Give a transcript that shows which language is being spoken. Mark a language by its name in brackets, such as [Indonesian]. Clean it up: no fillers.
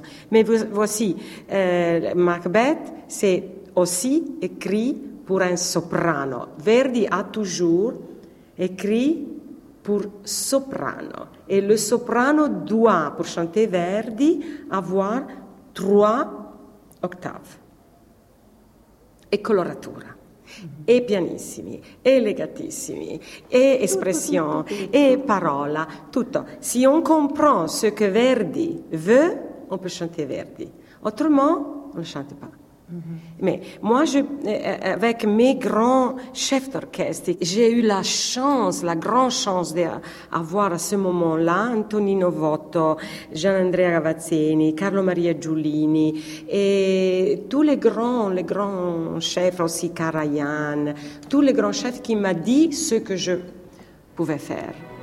[French] Mais voici, Macbeth, c'est aussi écrit pour un soprano. Verdi a toujours écrit pour soprano. Et le soprano doit, pour chanter Verdi, avoir trois octaves. [Italian] E coloratura. E pianissimi, e legatissimi, e espressione, e parola, tutto. [French] Si on comprend ce que Verdi veut, on peut chanter Verdi. Autrement, on ne chante pas. Mm-hmm. Mais moi, avec mes grands chefs d'orchestre, j'ai eu la chance, la grande chance d'avoir à ce moment-là Antonino Votto, Gianandrea Cavazzini, Carlo Maria Giulini et tous les grands chefs, aussi Karajan, tous les grands chefs qui m'ont dit ce que je pouvais faire.